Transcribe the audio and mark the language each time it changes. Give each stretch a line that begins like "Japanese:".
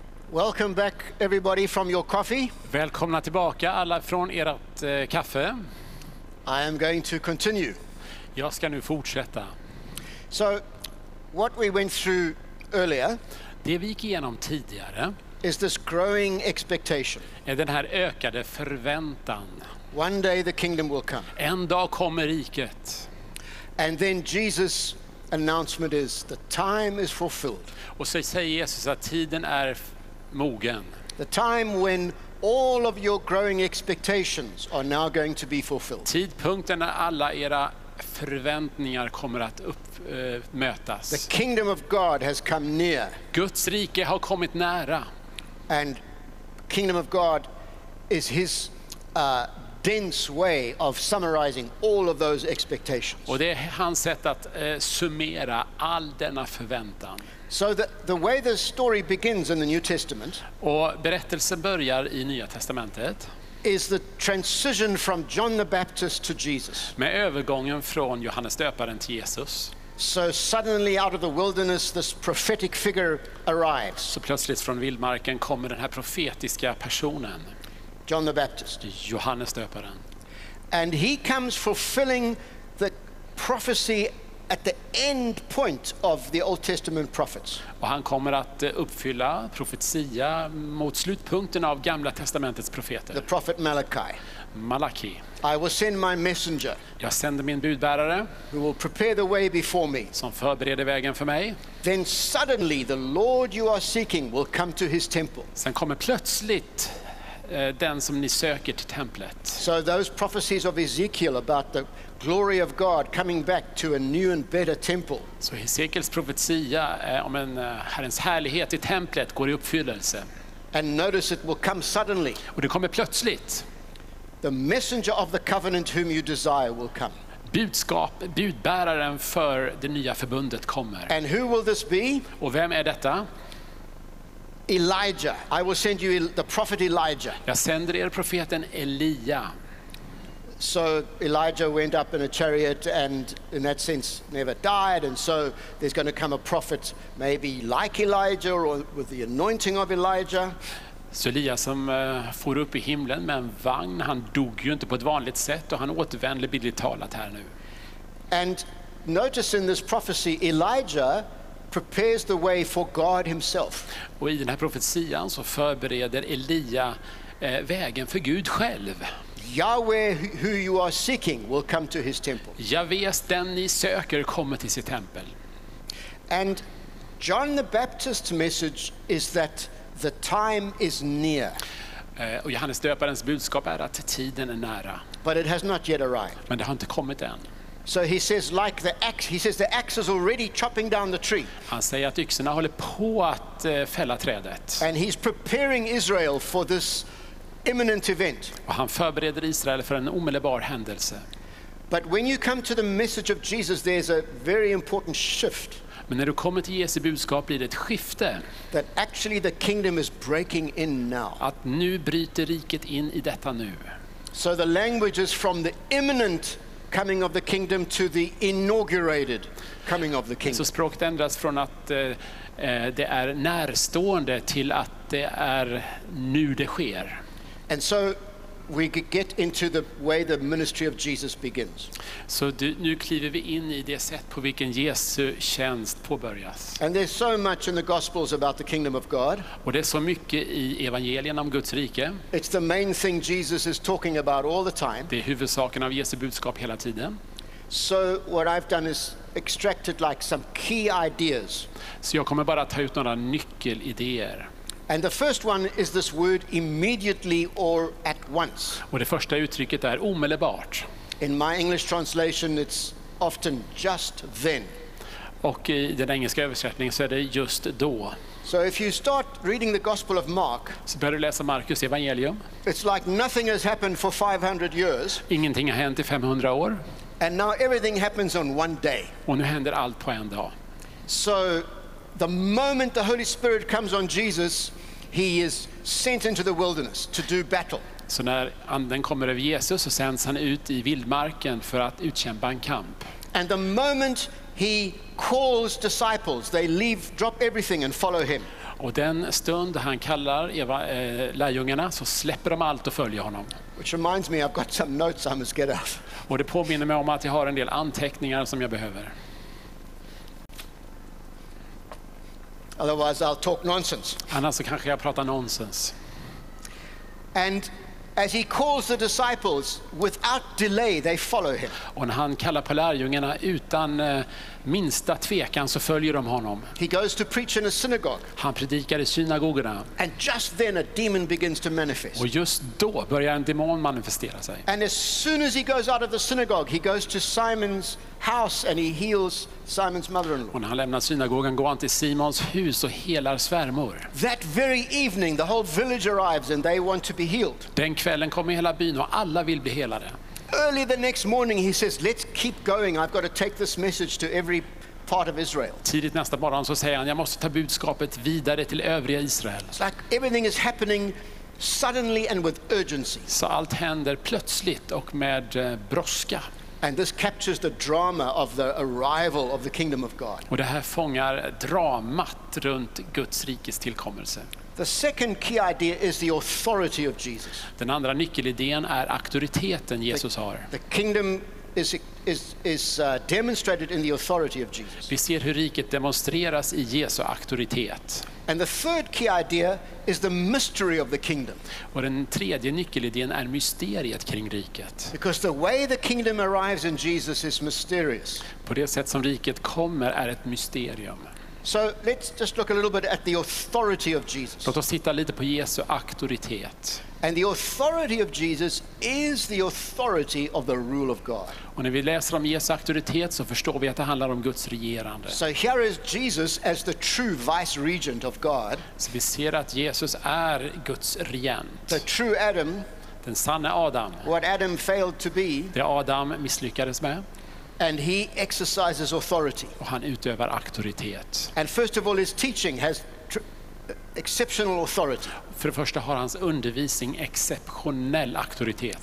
English: Welcome back everybody from your coffee.
Swedish: Välkomna tillbaka alla från ert kaffe.
English: I am going to continue.
Swedish: Jag ska nu fortsätta.
English: So what we went through earlier,
Swedish: det vi gick igenom tidigare,
English: is this growing expectation.
Swedish: Är den här ökade förväntan.
English: One day the kingdom will come.
Swedish: En dag kommer riket.
English: And then Jesus announcement is the time is fulfilled.
Swedish: Och så säger Jesus att tiden är mogen.
English: The time when all of your growing expectations are now going to be fulfilled.
Swedish: Tidpunkten när alla era förväntningar kommer att mötas.
English: The kingdom of God has come near.
Swedish: Guds rike har kommit nära.
English: And kingdom of God is his dense way of summarizing all of those expectations.
Swedish: Och det är hans sätt att summera all denna förväntan.
English: So the way the story begins in the New Testament.
Swedish: Och berättelsen börjar i Nya testamentet.
English: Is the transition from John the Baptist to Jesus.
Swedish: Med övergången från Johannes döparen till Jesus.
English: So suddenly out of the wilderness this prophetic figure arrives.
Swedish: Så plötsligt från vildmarken kommer den här profetiska personen.
English: John the Baptist.
Swedish: Johannes döparen.
English: And he comes fulfilling the prophecy at the end point of the Old Testament prophets.
Swedish: Och han kommer att uppfylla profetia mot slutpunkten av Gamla testamentets profeter.
English: The prophet Malachi.
Swedish: Malachi.
English: I will send my messenger.
Swedish: Jag sänder min budbärare.
English: Who will prepare the way before me.
Swedish: Som förbereder vägen för mig.
English: Then suddenly the Lord you are seeking will come to his temple.
Swedish: Sen kommer plötsligt den som ni söker till templet.
English: So those prophecies of Ezekiel about the glory of God coming back to a new and better temple.
Swedish: Så Ezekiels profetia om en Herrens härlighet i templet går i uppfyllelse.
English: And notice it will come suddenly.
Swedish: Och det kommer plötsligt.
English: The messenger of the covenant whom you desire will come.
Swedish: Budskap, budbäraren för det nya förbundet kommer.
English: And who will this be?
Swedish: Och vem är detta?
English: Elijah. I will send you the prophet Elijah.
Swedish: Jag sänder er profeten Elia.
English: So Elijah went up in a chariot and in that sense never died, and so there's going to come a prophet maybe like Elijah or with the anointing of Elijah.
Swedish: Så Elia som for upp i himlen med en vagn, han dog ju inte på ett vanligt sätt och han återvänder bildligt talat här nu.
English: And notice in this prophecy Elijah prepares the way for God himself.
Swedish: Och i den här profetian så förbereder Elia vägen för Gud själv.
English: Yahweh who you are seeking will come to his temple.
Swedish: Yahweh, den ni söker kommer till sitt tempel.
English: And John the Baptist's message is that the time is near.
Swedish: Och Johannes döparens budskap är att tiden är nära.
English: But it has not yet arrived.
Swedish: Men det har inte kommit än.
English: So he says like the axe, he says the axe is already chopping down the tree.
Swedish: Han säger att yxorna håller på att fälla trädet.
English: And he's preparing Israel for this imminent event.
Swedish: Och han förbereder Israel för en omedelbar händelse.
English: But when you come to the message of Jesus there's a very important shift.
Swedish: Men när du kommer till Jesu budskap blir det ett skifte.
English: That actually the kingdom is breaking in now.
Swedish: Att nu bryter riket in i detta nu.
English: So the language is from the imminent coming of the kingdom to the inaugurated coming of the kingdom.
Swedish: Så språket ändras från att det är närstående till att det är nu det sker.
English: And so we get into the way the ministry of Jesus begins.
Swedish: Så nu kliver vi in i det sätt på vilken Jesu tjänst påbörjas.
English: And there's so much in the gospels about the kingdom of God.
Swedish: Och det är så mycket i evangelien om Guds rike.
English: It's the main thing Jesus is talking about all the time.
Swedish: Det är huvudsaken av Jesu budskap hela tiden.
English: So what I've done is extracted like some key ideas.
Swedish: Så jag kommer bara ta ut några nyckelidéer.
English: And the first one is this word immediately or at once.
Swedish: Och det första uttrycket är omedelbart.
English: In my English translation it's often just then.
Swedish: Och i den engelska översättningen så är det just då.
English: So if you start reading the Gospel of Mark,
Swedish: så börjar du läsa Markus evangelium.
English: It's like nothing has happened for 500 years.
Swedish: Ingenting har hänt i 500 år.
English: And now everything happens on one day.
Swedish: Och nu händer allt på en dag.
English: So the moment the Holy Spirit comes on Jesus, he is sent into the wilderness to do battle.
Swedish: Så när anden kommer över Jesus så sänds han ut i vildmarken för att utkämpa en kamp.
English: And the moment he calls disciples, they leave, drop everything and follow him.
Swedish: Och den stund han kallar lärjungarna så släpper de allt och följer honom.
English: Which reminds me I've got some notes I must get out.
Swedish: Och det påminner mig om att jag har en del anteckningar som jag behöver.
English: Otherwise I'll talk nonsense.
Swedish: Annars kanske jag pratar nonsens.
English: And As he calls the disciples, without delay they follow him.
Swedish: Och när han kallar på lärjungarna utan minsta tvekan så följer de honom.
English: He goes to preach in a synagogue.
Swedish: Han predikar i synagogorna.
English: And just then a demon begins to manifest.
Swedish: Och just då börjar en demon manifestera sig.
English: And as soon as he goes out of the synagogue, he goes to Simon's house and he heals Simon's mother-in-law.
Swedish: Och när han lämnar synagogan går han till Simons hus och helar svärmor.
English: That very evening the whole village arrives and they want to be healed.
Swedish: Den kvällen kommer hela byn och alla vill bli helade.
English: Early the next morning he says, let's keep going, I've got to take this message to every part of Israel.
Swedish: Tidigt nästa morgon så säger han, jag måste ta budskapet vidare till övriga Israel.
English: It's like everything is happening suddenly and with urgency.
Swedish: Så allt händer plötsligt och med brådska.
English: And this captures the drama of the arrival of the kingdom of God.
Swedish: Och det här fångar dramat runt Guds rikes tillkommelse.
English: The second key idea is the authority of Jesus.
Swedish: Den andra nyckelidén är auktoriteten Jesus har.
English: The kingdom is demonstrated in the authority of Jesus.
Swedish: Vi ser hur riket demonstreras i Jesu auktoritet.
English: And the third key idea is the mystery of the kingdom.
Swedish: Och den tredje nyckelidén är mysteriet kring riket.
English: Because the way the kingdom arrives in Jesus is mysterious.
Swedish: På det sätt som riket kommer är ett mysterium.
English: So let's just look a little bit at the authority of Jesus.
Swedish: Låt oss titta lite på Jesu auktoritet.
English: And the authority of Jesus is the authority of the rule of God.
Swedish: Och när vi läser om Jesu auktoritet så förstår vi att det handlar om Guds regerande.
English: So here is Jesus as the true vice regent of God.
Swedish: Så vi ser att Jesus är Guds regent.
English: The true Adam.
Swedish: Den sanna Adam.
English: What Adam failed to be.
Swedish: Det Adam misslyckades med.
English: And he exercises authority.
Swedish: Och han utövar auktoritet.
English: And first of all, his teaching has exceptional authority.
Swedish: För det första har hans undervisning exceptionell auktoritet.